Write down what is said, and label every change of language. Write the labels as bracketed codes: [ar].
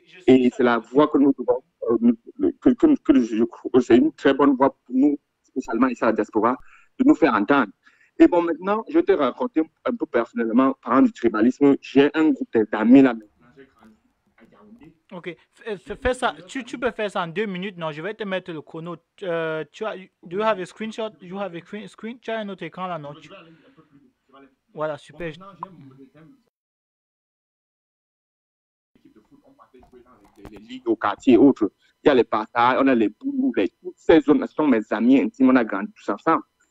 [fr] Et c'est la voie que nous devons, c'est une très bonne voie pour nous, spécialement ici à la diaspora, de nous faire entendre. Et bon, maintenant, je vais te raconter un peu personnellement, parlant du tribalisme, j'ai un groupe d'amis là. Ok, fais ça. Tu peux faire ça en 2 minutes. Non, je vais te mettre le chrono. [en] Do you have a screenshot? You have a screen? [fr] Tu as un autre écran là, non? Voilà, super. Bon, les lits au quartier et autres. Il y a les partages, on a les boulots, les, toutes ces zones sont mes amis intimes, on a grandi tous ensemble.